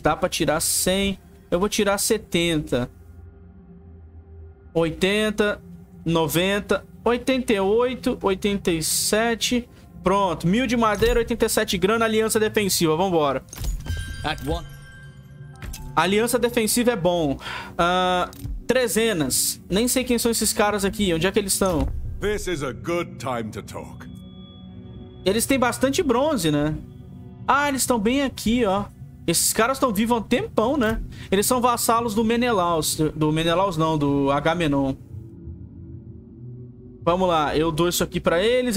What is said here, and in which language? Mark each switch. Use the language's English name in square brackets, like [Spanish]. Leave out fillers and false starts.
[Portuguese] Dá pra tirar 100. Eu vou tirar 70. 80, 90, 88, 87. Pronto, 1000 de madeira, 87 grana, aliança defensiva. Vambora. Aliança defensiva é bom. Trezenas. Nem sei quem são esses caras aqui. Onde é que eles estão? [English] This is a good time to talk. [Portuguese] Eles têm bastante bronze, né? Ah, eles estão bem aqui, ó. Esses caras estão vivos há um tempão, né? Eles são vassalos do Menelaus. Do Menelaus não, do Agamenon. Vamos lá, eu dou isso aqui pra eles.